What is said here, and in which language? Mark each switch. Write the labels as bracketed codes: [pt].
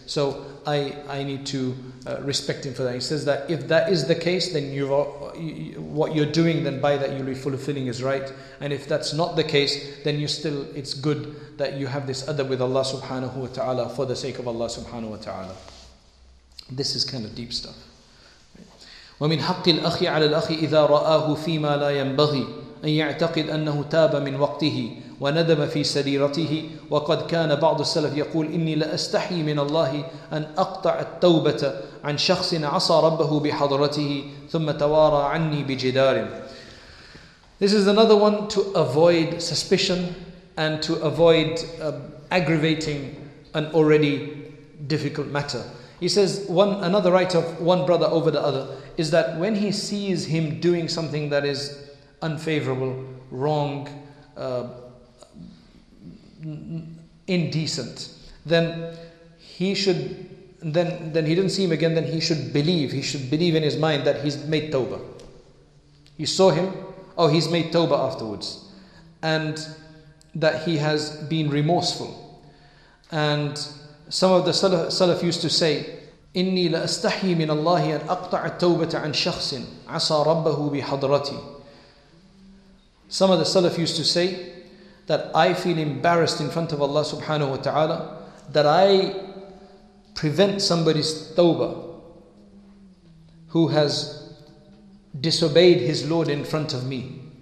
[en] So I need to respect him for that. He says that if that is the case, then what you're doing, then by that you'll be fulfilling his right. And if that's not the case, then you still, it's good that you have this adab with Allah [ar] subhanahu wa ta'ala [en] for the sake of Allah subhanahu wa ta'ala. This is kind of deep stuff. [ar] ومن حق الأخ على الأخ إذا رآه فيما لا ينبغي أن يعتقد أنه تاب من وقته وندم في سريرته. وقد كان بعض السلف يقول, إني لأستحي من الله أن أقطع التوبة عن شخص عصى ربه بحضرته ثم توارى عني بجدار. [en] This is another one to avoid suspicion and to avoid aggravating an already difficult matter. He says, another right of one brother over the other is that when he sees him doing something that is unfavorable, wrong, indecent, then he didn't see him again, then he should believe in his mind that he's made tawbah. He saw him, oh, he's made tawbah afterwards. And that he has been remorseful. And some of the salaf used to say, [ar] إني لأستحي من الله أن أقطع التوبة عن شخص عصى ربه بحضرتي. [en] Some of the Salaf used to say that I feel embarrassed in front of Allah [ar] subhanahu wa ta'ala [en] that I prevent somebody's tawbah who has disobeyed his Lord in front of me.